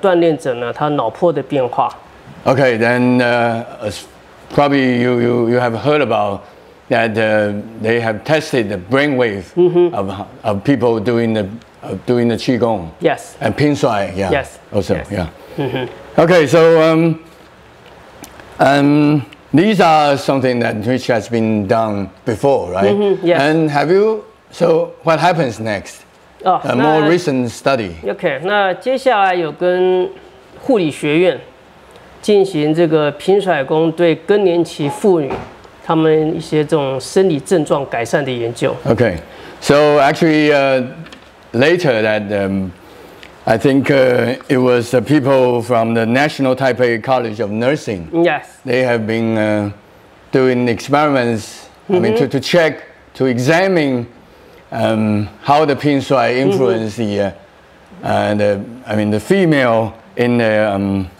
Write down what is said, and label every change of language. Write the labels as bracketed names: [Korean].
[Chinese] 另外一方面是研究在这个气功的一些这个锻炼者呢，他脑波的变化。 [English] Okay, then probably you have heard about that they have tested the brainwave of people doing the qigong. Yes. And Pingshuai, yeah. Yes. Also, yes. Yeah. Okay, so these are something that which has been done before, right? Yes. And have you? So what happens next? A more recent study. [Chinese] Okay, 那接下来有跟护理学院进行这个平甩功对更年期妇女他们一些这种生理症状改善的研究. [English] Okay, so actually later that I think it was the people from the National Taipei College of Nursing. Yes. They have been doing experiments, I mean to examine how the Pingshuai influence the female in the